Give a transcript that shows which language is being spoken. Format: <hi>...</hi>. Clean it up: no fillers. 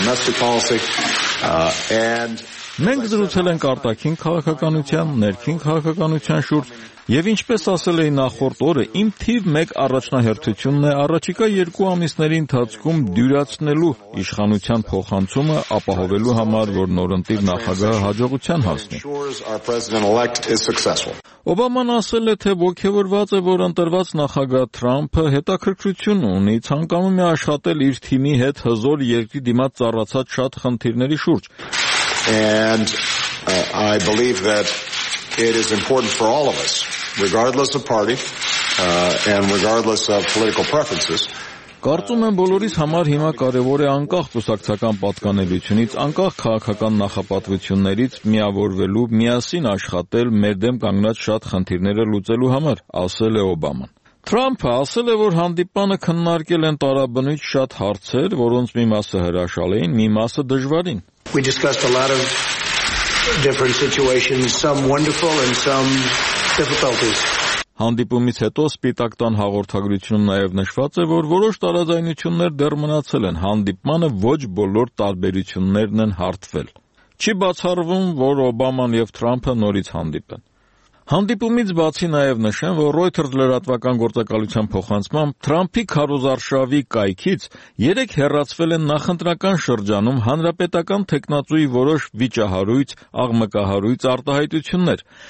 <hy>Մենք զրուցել ենք արտաքին քաղաքականության, ներքին քաղաքականության շուրջ, և ինչպես ասել էի նախորդ օրը, իմ թիվ 1 առաջնահերթությունն է առաջիկա 2 ամիսների ընթացքում դյուրացնելու իշխանության փոխանցումը, ապահովելու համար, որ նորընտիր նախագահը հաջողության հասնի։ Օբաման ասել է, թե ոգևորված է, որ ընտրված նախագահ Թրամփը հետաքրքրություն ունի, ցանկանում է աշխատել իր թիմի հետ հզոր երկրի դիմաց ծառացած շատ խնդիրների շուրջ։</hy> <en>I believe that it is important for all of us, regardless of party, and regardless of political preferences.</en> <hy>Կարծում եմ, բոլորիս համար հիմա կարևոր է անկախ տեսակցական պատկանելությունից, անկախ քաղաքական նախապատվություններից միավորվելու, միասին աշխատել մեր դեմ կանգնած շատ խնդիրները լուծելու համար, ասել է Օբաման։ Թրամփը ասել է, որ հանդիպանը քննարկել են տարաբնույթ շատ հարցեր, որոնց մի մասը հրաշալ էին, մի մասը դժվարին։</hy> <en>We discussed a lot of different situations, some wonderful and some difficulties.</en> <hy>Հանդիպումից հետո Սպիտակ տան հաղորդագրությունում նաև նշված է, որ որոշ տարաձայնություններ դեռ մնացել են, հանդիպմանը ոչ բոլոր տարբերություններն են հարթվել։ Չի բացառվում, որ Օբաման և Թրամփը նորից հանդիպեն։ Հանդիպումից բացի նաև նշեմ, որ Reuters լրատվական գործակալության փոխանցմամբ Թրամփի քարոզարշավի կայքից 3 հեռացվել են նախընտրական շրջանում հանրապետական թեկնածուի որոշ վիճահարույց, աղմկահարույց արտահայտություններ։</hy>